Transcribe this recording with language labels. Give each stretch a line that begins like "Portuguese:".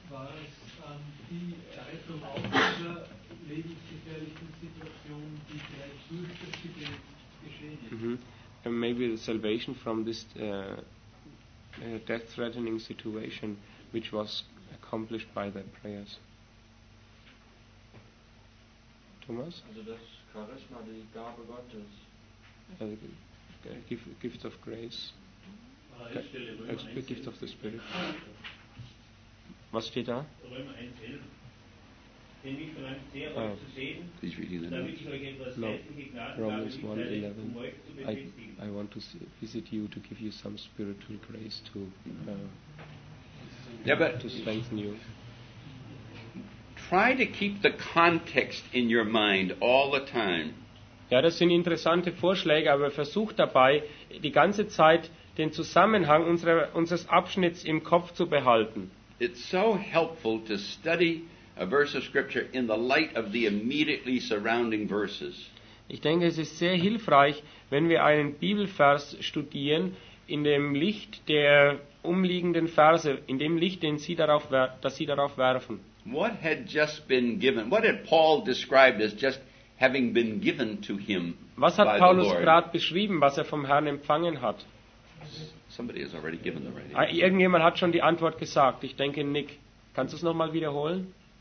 German: War es an die Rettung aus dieser lebensgefährlichen Situation, die vielleicht durch das Gebet geschehen ist?
English: And maybe the salvation from this death-threatening situation, which was accomplished by their prayers. Thomas?
German: Also das Charisma, die Gabe Gottes.
English: Gift of grace. Gift of the Spirit.
German: Was steht da?
English: He's reading the notes. No, Romans 1:11. I want to see, visit you to give you some spiritual grace to to strengthen you. Try to keep the context in your mind all the time.
German: Ja, das sind interessante Vorschläge, aber versucht dabei, die ganze Zeit den Zusammenhang unseres Abschnitts im Kopf zu behalten.
English: It's so helpful to study a verse of scripture in the light of the immediately surrounding verses.
German: Ich denke, es ist sehr hilfreich, wenn wir einen Bibelvers studieren in dem Licht der umliegenden Verse, in dem Licht, das sie darauf werfen.
English: What had just been given? What had Paul described as just having been given to him by the Lord?
German: Was hat Paulus gerade beschrieben, was vom Herrn empfangen hat?
English: Somebody has already given the right answer.
German: Irgendjemand hat schon die Antwort gesagt. Ich denke, Nick, kannst du es nochmal wiederholen?